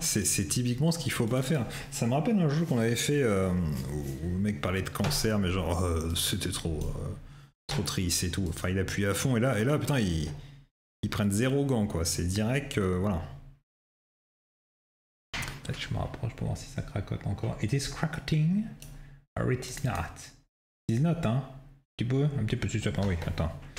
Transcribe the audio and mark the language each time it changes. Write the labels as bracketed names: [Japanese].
[French] C'est typiquement ce qu'il faut pas faire. Ça me rappelle un jeu qu'on avait fait où le mec parlait de cancer, mais genre c'était trop triste et tout. Enfin, il appuie à fond et là, putain, il. Ils prennent zéro gant, quoi. C'est direct, voilà. Peut-être que je me rapproche pour voir si ça cracote encore. [English] It is cracking or it is not. It is not, hein. [French] Tu peux un petit peu si tu veux. Ah oui, attends.